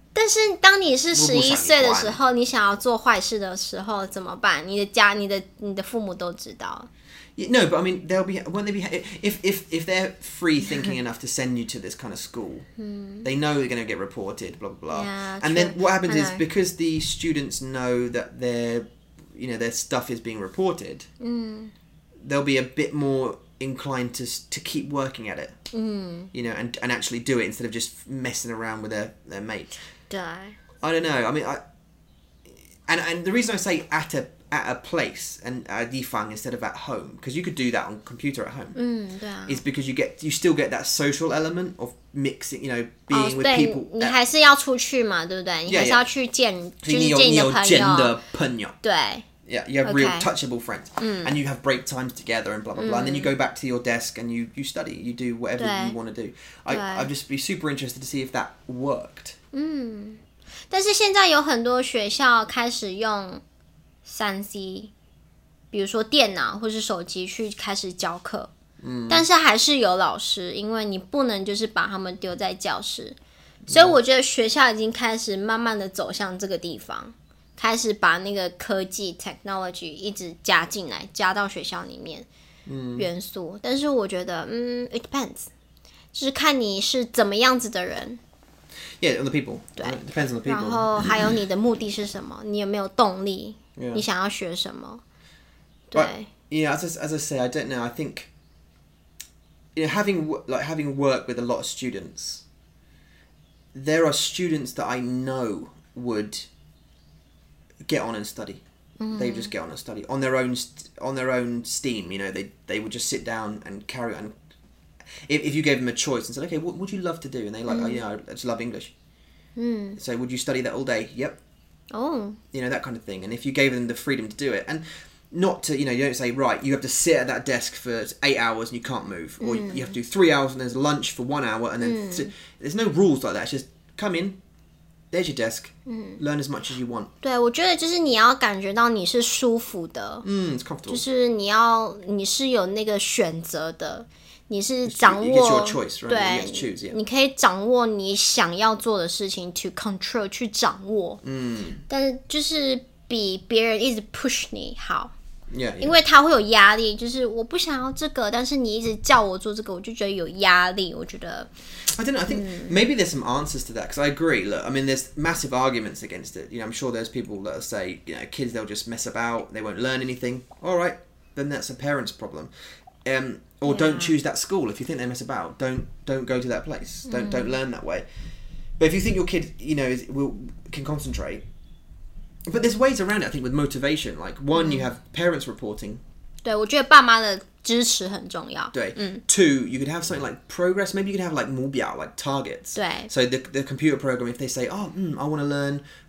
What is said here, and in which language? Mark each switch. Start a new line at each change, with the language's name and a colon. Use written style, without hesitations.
Chinese: 但是当你是11岁的时候，你想要做坏事的时候怎么办？你的父母都知道。
English: No, but I mean, if they're free thinking enough to send you to this kind of school, they know they're going to get reported, blah, blah, blah. Yeah, and true. Then what happens is because the students know that their stuff is being reported, they'll be a bit more inclined to keep working at it, you know, and actually do it instead of just messing around with their mate. Die. I don't know. I mean, and the reason I say at a place and a 地方 instead of at home, because you could do that on computer at home, yeah. is because you still get that social element of mixing, you know, being with people.
Chinese: 你还是要出去嘛，对不对？你还是要去见，就是见你的朋友。你有朋友。对。
English: Yeah, you have real touchable friends, and you have break times together and blah, blah, blah, and then you go back to your desk and you study, you do whatever you want to do. I'd just be super interested to see if that worked.
Chinese: 但是现在有很多学校开始用3C, 比如说电脑或是手机去开始教课，但是还是有老师，因为你不能就是把他们丢在教室，所以我觉得学校已经开始慢慢的走向这个地方，开始把那个科技 technology 一直加进来，加到学校里面元素，但是我觉得
English: it depends,
Chinese: 就是看你是怎么样子的人，
English: Yeah, on the people. Right. Depends on the people.
Chinese: 然后还有你的目的是什么？你有没有动力？
English: Yeah.
Chinese: 你想要学什么？对。
English: But, yeah, as I say, I don't know. I think, you know, having worked with a lot of students, there are students that I know would get on and study. Mm-hmm. They just get on and study on their own steam. You know, they would just sit down and carry on. If you gave them a choice and said, okay, what would you love to do? And they like, oh, yeah, I just love English. Mm. So would you study that all day? Yep. Oh. You know, that kind of thing. And if you gave them the freedom to do it, and not to, you know, you don't say, right, you have to sit at that desk for 8 hours and you can't move. Or you have to do 3 hours and there's lunch for 1 hour. And then there's no rules like that. It's just come in. There's your desk. Learn as much as you want.
Chinese: 对，我觉得就是你要感觉到你是舒服的。
English: It's comfortable.
Chinese: 就是你要，你是有那个选择的。你是掌握
English: you get your choice, right?
Chinese: 对
English: you get to choose,、yeah.
Chinese: 你可以掌握你想要做的事情
English: to control
Chinese: 去掌握、但是就是比别人一直 push 你好
English: yeah,
Chinese: 因为他会有压力就是我不想要这个但是你一直叫我做这个我就觉得有压力我觉得
English: I don't know I think maybe there's some answers to that because I agree look I mean there's massive arguments against it you know I'm sure there's people that say you know kids they'll just mess about they won't learn anything alright then that's a parent's problem Or don't choose that school if you think they mess about. Don't go to that place. Don't learn that way. But if you think your kid, you know, can concentrate. But there's ways around it, I think, with motivation. Like, one, you have parents reporting.
Chinese: 对，我觉得爸妈的支持很重要。对，嗯。
English: Two, you could have something like progress. Maybe you could have like 目标, like targets.
Chinese: 对。
English: So the computer program, if they say, oh, I want to learn...